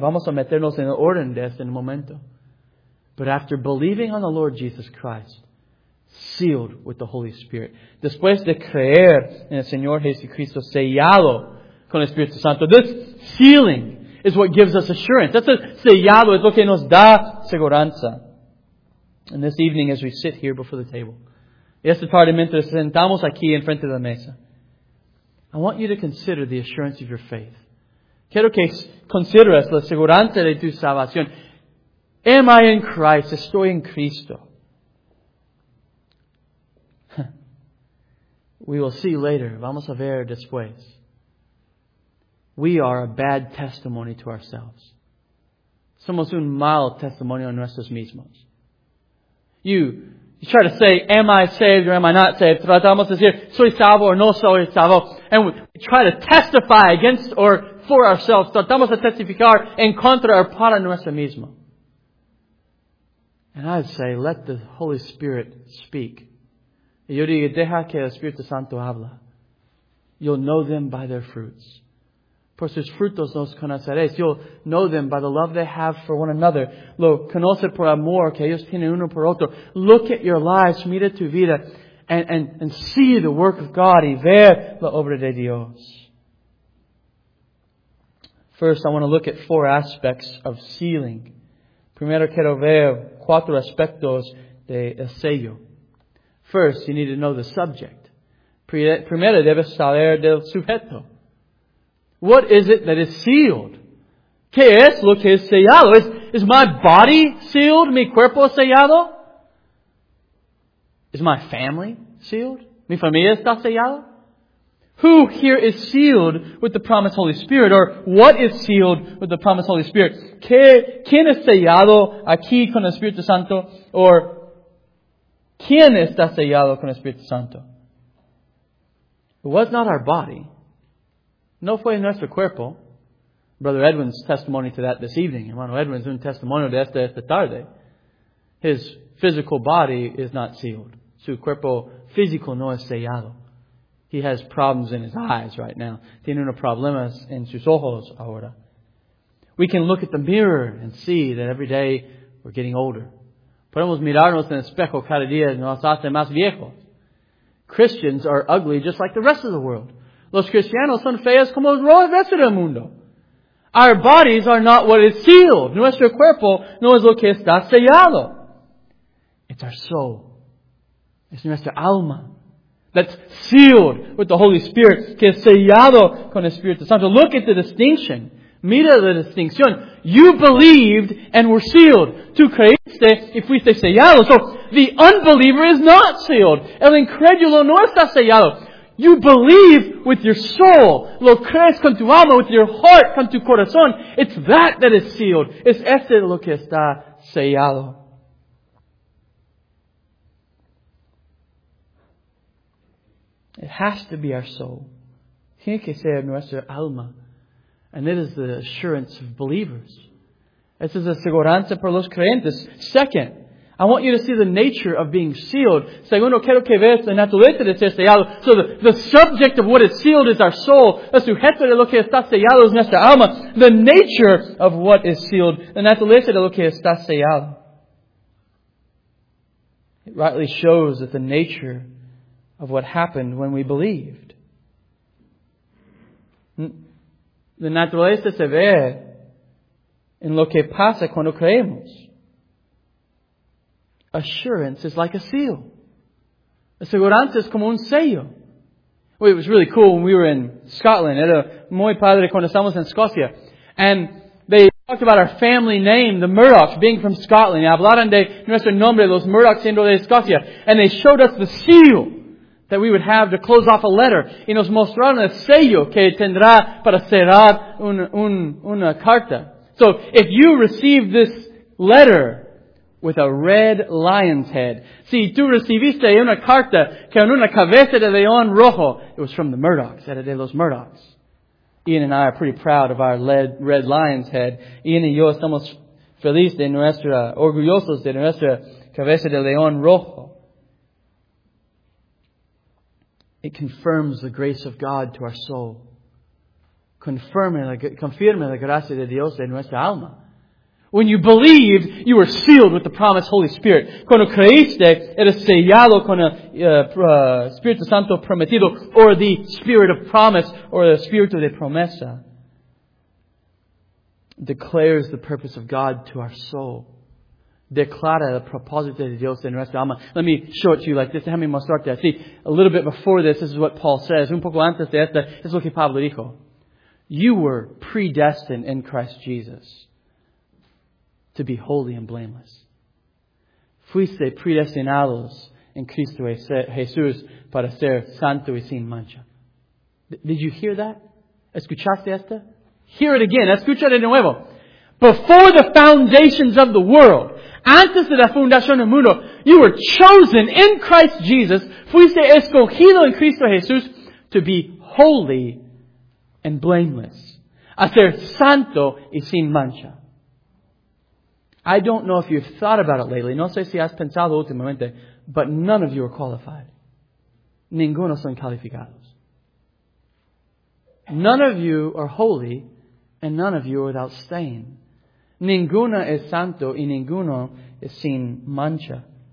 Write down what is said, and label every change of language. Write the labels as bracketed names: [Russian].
[Spanish] Vamos a meternos en el orden de este en un momento. [English] But after believing on the Lord Jesus Christ, sealed with the Holy Spirit. [Spanish] Después de creer en el Señor Jesucristo, sellado con el Espíritu Santo. [English] This sealing is what gives us assurance. That's a [Spanish] sellado, es lo que nos da seguranza. [English] And this evening as we sit here before the table, [Spanish] esta tarde mientras sentamos aquí en frente de la mesa, [English] I want you to consider the assurance of your faith. [Spanish] Quiero que consideres la seguranza de tu salvación. [English] Am I in Christ? [Spanish] Estoy en Cristo. [English] We will see later. [Spanish] Vamos a ver después. [English] We are a bad testimony to ourselves. [Spanish] Somos un mal testimonio a nuestros mismos. [English] You try to say, am I saved or am I not saved? [Spanish] Tratamos de decir, soy salvo or no soy salvo. [English] And we try to testify against or for ourselves. [Spanish] Tratamos de testificar en contra or para nuestro mismo. [English] And I'd say, let the Holy Spirit speak. [Spanish] Y yo digo, deja que el Espíritu Santo habla. [English] You'll know them by their fruits. [Spanish] Por sus frutos los conoceréis. [English] You'll know them by the love they have for one another. [Spanish] Lo conoce por amor que ellos tienen uno por otro. [English] Look at your lives, [Spanish] mira tu vida, [English] and see the work of God [Spanish] y ver la obra de Dios. [English] First, I want to look at four aspects of sealing. [Spanish] Primero quiero ver cuatro aspectos de el sello. [English] First, you need to know the subject. [Spanish] Primero debes saber del sujeto. [English] What is it that is sealed? [Spanish] ¿Qué es lo que es sellado? [English] Is my body sealed? [Spanish] ¿Mi cuerpo sellado? [English] Is my family sealed? [Spanish] ¿Mi familia está sellada? [English] Who here is sealed with the promised Holy Spirit? Or what is sealed with the promised Holy Spirit? [Spanish] ¿Quién es sellado aquí con el Espíritu Santo? Or ¿quién está sellado con el Espíritu Santo? [English] It was not our body. [Spanish] No fue nuestro cuerpo. [English] Brother Edwin's testimony to that this evening. [Spanish] Hermano Edwin's un testimonio de esta tarde. [English] His physical body is not sealed. [Spanish] Su cuerpo físico no es sellado. [English] He has problems in his eyes right now. [Spanish] Tiene unos problemas en sus ojos ahora. [English] We can look at the mirror and see that every day we're getting older. [Spanish] Podemos mirarnos en el espejo cada día y nos hace más viejos. [English] Christians are ugly just like the rest of the world. [Spanish] Los cristianos son feos como el resto del mundo. [English] Our bodies are not what is sealed. [Spanish] Nuestro cuerpo no es lo que está sellado. [English] It's our soul. It's [Spanish] nuestra alma. [English] That's sealed with the Holy Spirit. [Spanish] Que es sellado con el Espíritu Santo. [English] Look at the distinction. [Spanish] Mira la distinción. [English] You believed and were sealed. [Spanish] Tú creíste y fuiste sellado. [English] So the unbeliever is not sealed. [Spanish] El incrédulo no está sellado. [English] You believe with your soul. [Spanish] Lo crees con tu alma, [English] with your heart, [Spanish] con tu corazón. [English] It's that is sealed. [Spanish] Es este lo que está sellado. [English] It has to be our soul. [Spanish] Tiene que ser nuestra alma. [English] And it is the assurance of believers. [Spanish] Es la seguridad para los creyentes. [English] Second, I want you to see the nature of being sealed. [Spanish] Segundo, quiero que veas la naturaleza de ser sellado. [English] So the subject of what is sealed is our soul. [Spanish] El sujeto de lo que está sellado es nuestra alma. [English] The nature of what is sealed, the [Spanish] naturaleza de lo que está sellado. [English] It rightly shows that the nature of what happened when we believed. [Spanish] The naturaleza se ve en lo que pasa cuando creemos. [English] Assurance is like a seal. [Spanish] Aseguranza es como un sello. [English] Well, it was really cool when we were in Scotland. [Spanish] Era muy padre cuando estamos en Escocia. [English] And they talked about our family name, the Murdochs, being from Scotland. [Spanish] Y hablaron de nuestro nombre, los Murdochs, siendo de Escocia. [English] And they showed us the seal that we would have to close off a letter. [Spanish] Y nos mostraron el sello que tendrá para cerrar una carta. [English] So, if you receive this letter with a red lion's head. [Spanish] Si tú recibiste una carta con una cabeza de león rojo, [English] it was from the Murdochs, [Spanish] era de los Murdochs. [English] Ian and I are pretty proud of our red lion's head. [Spanish] Ian y yo estamos felices de nuestra, orgullosos de nuestra cabeza de león rojo. [English] It confirms the grace of God to our soul. [Spanish] confirme la gracia de Dios en nuestra alma. [English] When you believed, you were sealed with the promised Holy Spirit. [Spanish] Cuando creíste, eres sellado con el Espíritu Santo prometido, [English] or the Spirit of promise, or the [Spanish] Espíritu de promesa. [English] Declares the purpose of God to our soul. [Spanish] Declara el propósito de Dios en nuestra alma. [English] Let me show it to you like this. [Spanish] Déjame mostrarte así. [English] A little bit before this, this is what Paul says. [Spanish] Un poco antes de esta, es lo que Pablo dijo. [English] You were predestined in Christ Jesus to be holy and blameless. [Spanish] Fuiste predestinados en Cristo Jesús para ser santo y sin mancha. [English] Did you hear that? [Spanish] ¿Escuchaste esto? [English] Hear it again. [Spanish] Escucha de nuevo. [English] Before the foundations of the world, [Spanish] antes de la fundación del mundo, [English] you were chosen in Christ Jesus, [Spanish] fuiste escogido en Cristo Jesús, [English] to be holy and blameless. [Spanish] A ser santo y sin mancha. [English] I don't know if you've thought about it lately. [Spanish] No sé si has pensado últimamente, [English] but none of you are qualified. [Spanish] Ninguno son calificados. [English] None of you are holy, and none of you are without stain. [Spanish] Ninguno es santo y ninguno es sin mancha.